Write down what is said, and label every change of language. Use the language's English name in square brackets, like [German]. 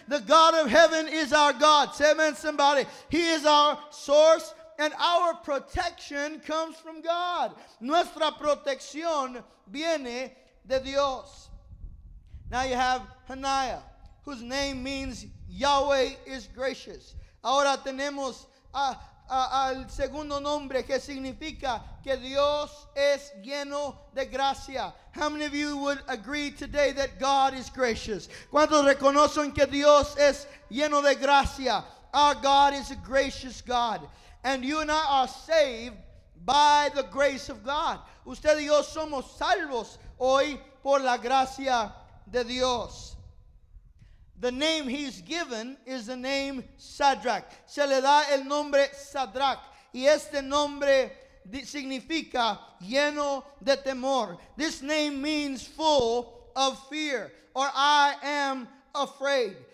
[English] The God of heaven is our God. Say amen, somebody. He is our source, and our protection comes from God. [Spanish] Nuestra protección viene de Dios. [English] Now you have Hananiah, whose name means Yahweh is gracious. [Spanish] Ahora tenemos al segundo nombre, que significa que Dios es lleno de gracia. [English] How many of you would agree today that God is gracious? [Spanish] ¿Cuántos reconocen que Dios es lleno de gracia? [English] Our God is a gracious God. And you and I are saved by the grace of God. [Spanish] Usted y yo somos salvos hoy por la gracia de Dios. [English] The name he's given is the name Shadrach. [Spanish] Se le da el nombre Shadrach. Y este nombre significa lleno de temor. [English] This name means full of fear, or I am afraid.